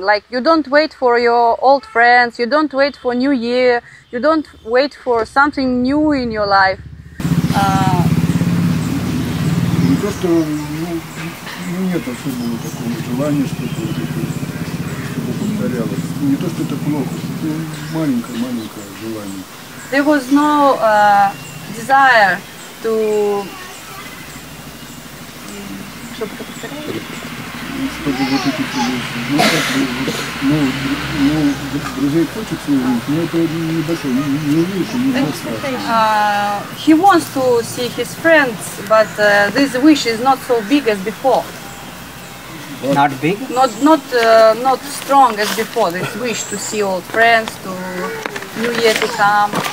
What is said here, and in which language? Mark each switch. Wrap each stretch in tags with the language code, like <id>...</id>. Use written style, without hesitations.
<en>Like you don't wait for your old friends. You don't wait for New Year. You don't wait for something new in your life.</en> <ru>Не то, что нет особого такого желания, чтобы повторялось. Не то, что это плохо. Это маленькое желание.</ru> <en>There was no desire to.</en> <ru>Чтобы вот эти друзей хочется увидеть, но это небольшой, не увидишь, не достаточно.</ru> <en>He wants to see his friends, but this wish is not so big as before. What? Not big? Not strong as before, this wish to see old friends, to New Year to come.</en>